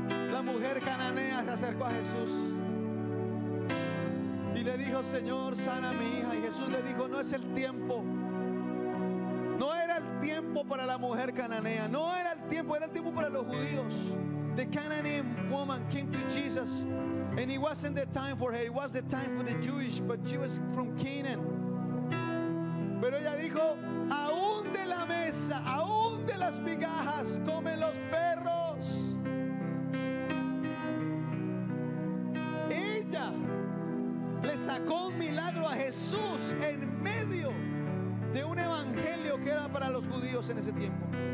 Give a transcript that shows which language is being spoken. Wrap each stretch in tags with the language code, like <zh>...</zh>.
<es>La mujer cananea se acercó a Jesús y le dijo: Señor, sana a mi hija. Y Jesús le dijo: no es el tiempo. No era el tiempo para la mujer cananea, no era el tiempo, era el tiempo para los judíos.</es> <en>The Canaanite woman came to Jesus, and it wasn't the time for her. It was the time for the Jewish, but she was from Canaan.</en> <es>Pero ella dijo, aún de la mesa, aún de las migajas, comen los perros. Ella le sacó un milagro a Jesús en medio de un evangelio que era para los judíos en ese tiempo.</es>